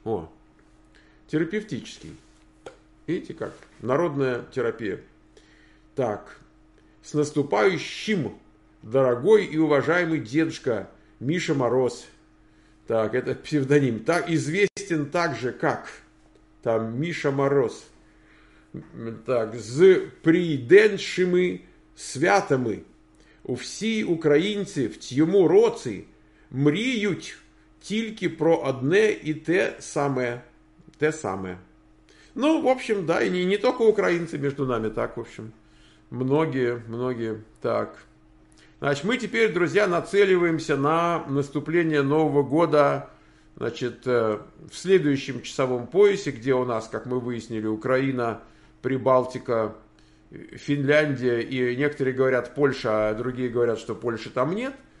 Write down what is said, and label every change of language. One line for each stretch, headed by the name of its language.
Russian: О, терапевтический. Видите как? Народная терапия. Так. С наступающим, дорогой и уважаемый дедушка Миша Мороз. Так, это псевдоним. Так, известен также как там Миша Мороз.
Ukrainian: Так, с прийденшими святами. У всій українці в цьому році мріють тільки про одне і те саме. Те саме.
Russian: Ну, в общем, да, і не только українці между нами, так, в общем. Многие, многие. Так. Значит, мы теперь, друзья, нацеливаемся на наступление Нового года, значит, в следующем часовом поясе, где у нас, как мы выяснили, Украина, Прибалтика, Финляндия и некоторые говорят Польша, а другие говорят, что Польши там нет.